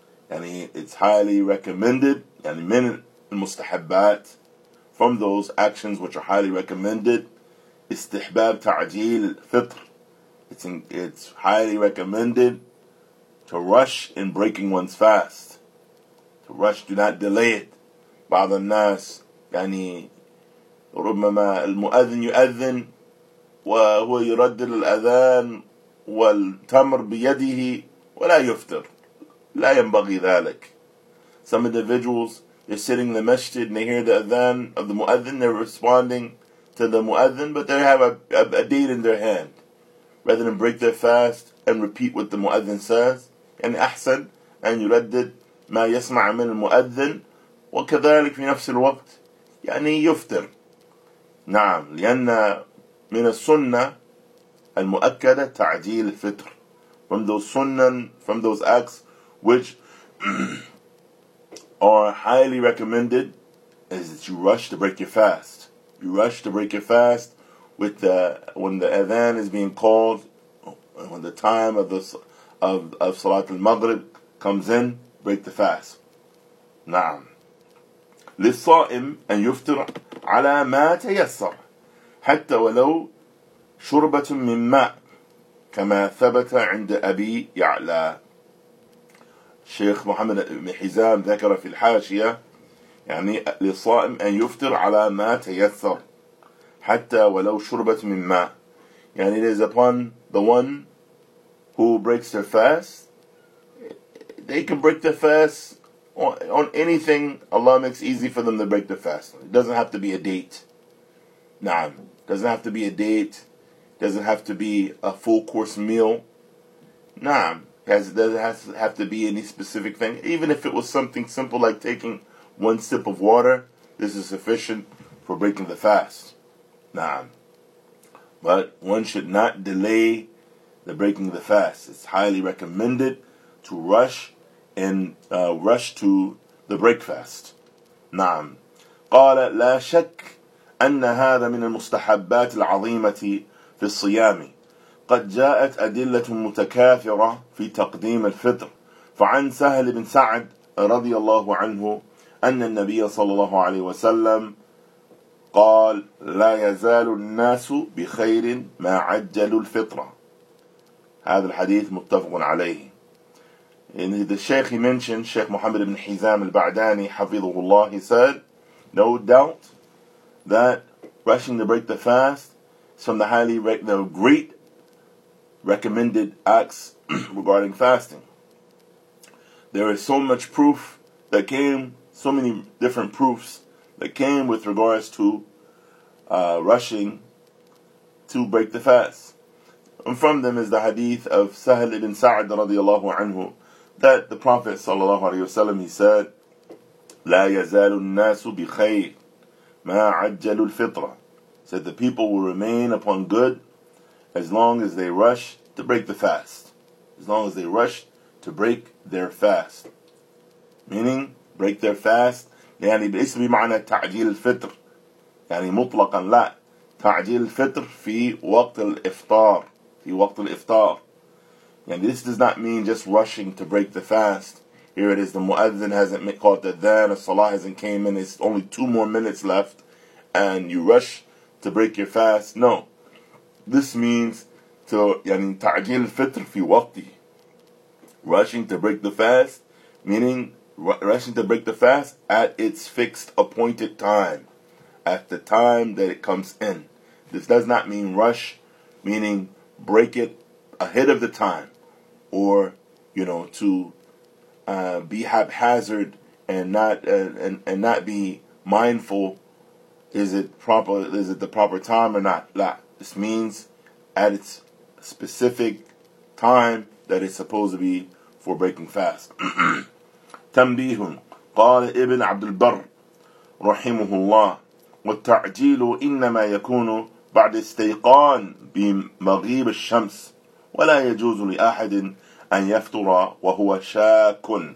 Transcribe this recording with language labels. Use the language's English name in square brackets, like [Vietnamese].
[English] يعني it's highly recommended. [Arabic] يعني من المستحبات, [English] from those actions which are highly recommended, [Arabic] استحباب تعجيل الفطر. [English] It's highly recommended to rush in breaking one's fast. To rush, do not delay it. [Arabic] بعض الناس يعني ربما المؤذن يؤذن وهو يردد الأذان والتمر بيده ولا يفطر. لا ينبغي ذلك. [English] Some individuals, they're sitting in the masjid and they hear the adhan of the muadhin, they're responding to the Mu'adhin, but they have a date in their hand. Rather than break their fast and repeat what the Mu'adhin says, and أحسن, and [Arabic] يردد ما يسمع من المؤذن وكذلك في نفس الوقت يعني يفطر. نعم, لأن من السنة المؤكدة تعجيل الفطر. [English] From those sunnah, from those acts which are highly recommended, is that you rush to break your fast. You rush to break your fast with the when the adhan is being called, when the time of the of Salat al-Maghrib comes in, break the fast. [Arabic] نعم. للصائم أن يفطر على ما تيسر حتى ولو شربة من ماء كما ثبت عند أبي يعلى. شيخ محمد بن حزام ذكر في الحاشية يعني للصائم أن يفطر على ما تيسر حتى ولو شربة من ماء. [English] يعني it is upon the one who breaks their fast. They can break the fast on anything Allah makes easy for them to break the fast. It doesn't have to be a date. نعم. Doesn't have to be a date. Doesn't have to be a full course meal. [Arabic] نعم. [English] Doesn't have to be any specific thing. Even if it was something simple like taking one sip of water, this is sufficient for breaking the fast. [Arabic] نعم. [English] But one should not delay the breaking of the fast. It's highly recommended to rush and rush to the breakfast. [Arabic] نعم. قال لا شك أن هذا من المستحبات العظيمة في الصيام. قد جاءت أدلة متكاثرة في تقديم الفطر. فعن سهل بن سعد رضي الله عنه أن النبي صلى الله عليه وسلم قال لا يزال الناس بخير ما عجلوا الفطرة. هذا الحديث متفق عليه. [English] And the Sheikh, he mentioned, Sheikh Muhammad ibn Hizam al-Ba'dani, hafidhullah, he said, no doubt that rushing to break the fast is from the great recommended acts regarding fasting. There is so much proof that came, so many different proofs that came with regards to rushing to break the fast. And from them is the hadith of Sahal ibn Sa'd radiallahu anhu, that the Prophet sallallahu alaihi wasallam, he said, [Arabic] لا يزال الناس بخير ما عجلوا الفطرة. [English] Said the people will remain upon good as long as they rush to break the fast. As long as they rush to break their fast. Meaning, break their fast. [Arabic] يعني بإسم بمعنى تعجيل الفطر. يعني مطلقا لا. تعجيل الفطر في وقت الإفطار. في وقت الإفطار. [English] And this does not mean just rushing to break the fast. Here it is, the Mu'adhin hasn't called the Adhan, the Salah hasn't came in, it's only two more minutes left, and you rush to break your fast. No. This means to, [Arabic] yani, ta'jil fitr fi waqti. [English] Rushing to break the fast, meaning rushing to break the fast at its fixed appointed time, at the time that it comes in. This does not mean rush, meaning break it ahead of the time, or you know, to be haphazard and not be mindful, is it the proper time or not? [Arabic] لا. [English] This means at its specific time that it's supposed to be for breaking fast. [Arabic] تنبيهم قال ابن عبد البر رحمه الله والتعجيل إنما يكون بعد استيقان بمغيب الشمس ولا يجوز لأحد أن يفطر وهو شاك